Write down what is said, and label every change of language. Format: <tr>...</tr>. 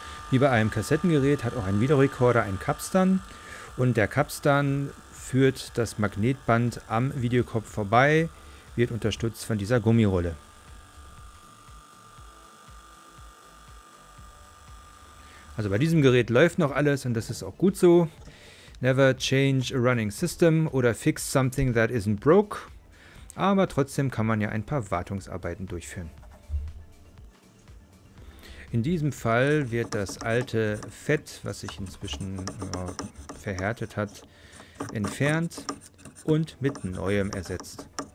<de>Wie bei einem Kassettengerät hat auch ein Videorekorder einen Capstan und der Capstan führt das Magnetband am Videokopf vorbei, wird unterstützt von dieser Gummirolle. Also bei diesem Gerät läuft noch alles und das ist auch gut so.</de> <en>Never change a running system oder fix something that isn't broke.</en> <de>Aber trotzdem kann man ja ein paar Wartungsarbeiten durchführen. In diesem Fall wird das alte Fett, was sich inzwischen verhärtet hat, entfernt und mit neuem ersetzt.</de>